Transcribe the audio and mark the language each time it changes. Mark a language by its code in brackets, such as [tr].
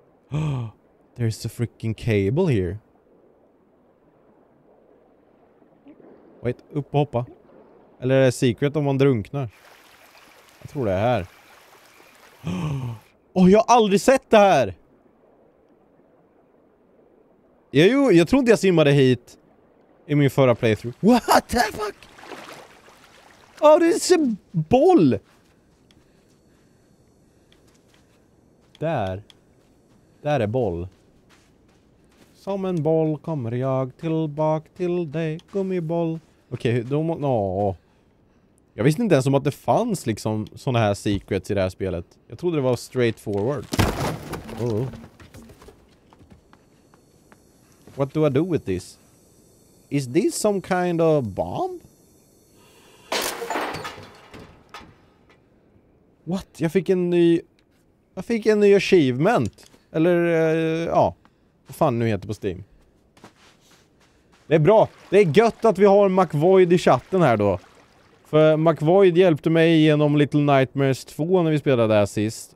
[en] Oh, there's a freaking cable here. [sv] Wait, upp och hoppa. Eller är det secret om man drunknar? Jag tror det är här. Åh, oh, jag har aldrig sett det här! Jag tror inte jag simmade hit i min förra playthrough. [en] What the fuck? [sv] Ja, oh, det är en boll! Där. Där är boll. Som en boll kommer jag tillbaka till dig, gummiboll. Okej, okay, då... Oh. Jag visste inte ens om att det fanns liksom såna här secrets i det här spelet. Jag trodde det var straightforward. Oh. [en] What do I do with this? Is this some kind of bomb? What? [sv] Jag fick en ny achievement. Eller, ja. Vad fan nu heter på Steam. Det är bra. Det är gött att vi har McVoid i chatten här då. För McVoid hjälpte mig genom Little Nightmares 2 när vi spelade där sist.